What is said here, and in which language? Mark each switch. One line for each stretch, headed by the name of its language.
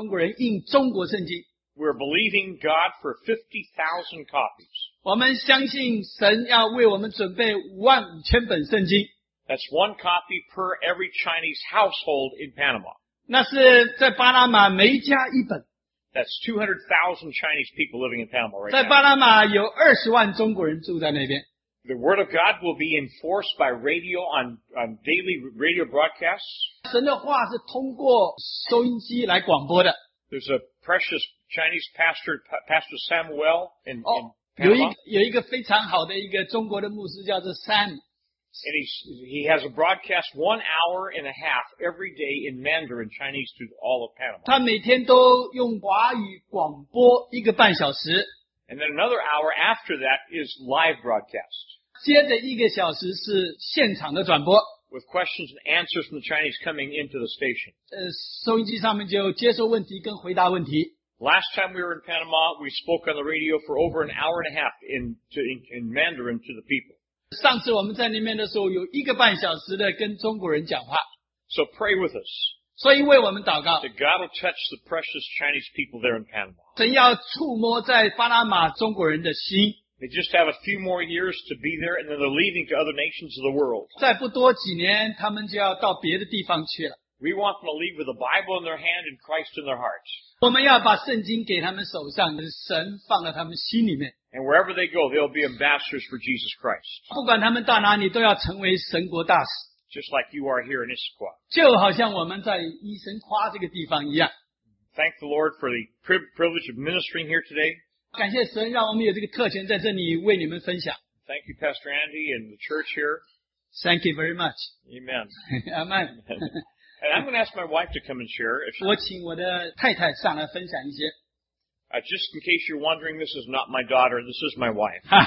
Chinese: 我们现在需要就是为巴拿马的中国人印中国圣经。
English: We're believing God for 50,000 copies.
Chinese: 我们相信神要为我们准备15,000本圣经。
English: That's one copy per every Chinese household in Panama.
Chinese: 那是在巴拿马每一家一本。
English: That's 200,000 Chinese people living in Panama right now.
Chinese: 在巴拿马有20万中国人住在那边。
English: The word of God will be enforced by radio on daily radio broadcasts.
Chinese: 神的话是通过收音机来广播的。
English: There's a precious Chinese pastor, Pastor Samuel in Panama.
Chinese: 有一个非常好的一个中国的牧师叫做Sam。
English: And he has a broadcast 1 hour and a half every day in Mandarin Chinese to all of Panama.
Chinese: 他每天都用华语广播一个半小时。
English: And then another hour after that is live broadcast.
Chinese: 接着一个小时是现场的转播。
English: With questions and answers from the Chinese coming into the station.
Chinese: 收音机上面就接受问题跟回答问题。
English: Last time we were in Panama, we spoke on the radio for over an hour and a half in Mandarin to the people.
Chinese: 上次我们在那边的时候有一个半小时的跟中国人讲话。
English: So pray with us.
Chinese: 所以为我们祷告。
English: That God will touch the precious Chinese people there in Panama.
Chinese: 神要触摸在巴拿马中国人的心。
English: They just have a few more years to be there, and then they're leaving to other nations of the world.
Chinese: 再不多几年，他们就要到别的地方去了。
English: We want them to leave with the Bible in their hand and Christ in their hearts.
Chinese: 我们要把圣经给他们手上，神放在他们心里面。
English: And wherever they go, they'll be ambassadors for Jesus Christ.
Chinese: 不管他们到哪里，都要成为神国大使。
English: Just like you are here in Issaquah.
Chinese: 就好像我们在伊神夸这个地方一样。
English: Thank the Lord for the privilege of ministering here today.
Chinese: 感谢神让我们有这个特权在这里为你们分享。
English: Thank you, Pastor Andy and the church here. Thank you very much. Amen. Amen. And I'm going to ask my wife to come and share. If she...
Chinese: 我请我的太太上来分享一些。
English: Just in case you're wondering, this is not my daughter, this is my wife.